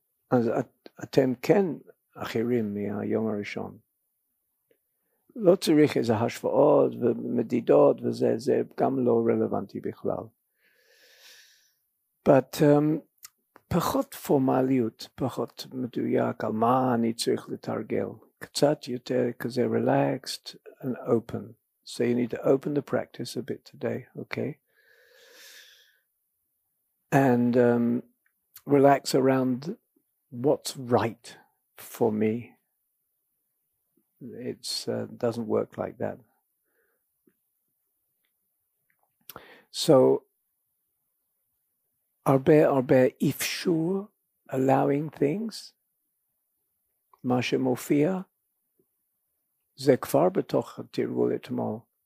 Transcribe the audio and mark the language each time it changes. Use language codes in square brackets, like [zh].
[he] אז אתם כן אחרים מהיום הראשון. לא צריך איזה השוואות ומדידות וזה, זה גם לא רלוונטי בכלל. But פחות פורמליות, פחות מדויק על מה אני צריך לתרגל. קצת יותר כזה [en] relaxed and open. So you need to open the practice a bit today, okay? And relax around what's right for me. It doesn't work like that. [he] So הרבה אפשור, [en] allowing things, [he] מה שמופיע, זה כבר בתוך התרגול אתמול.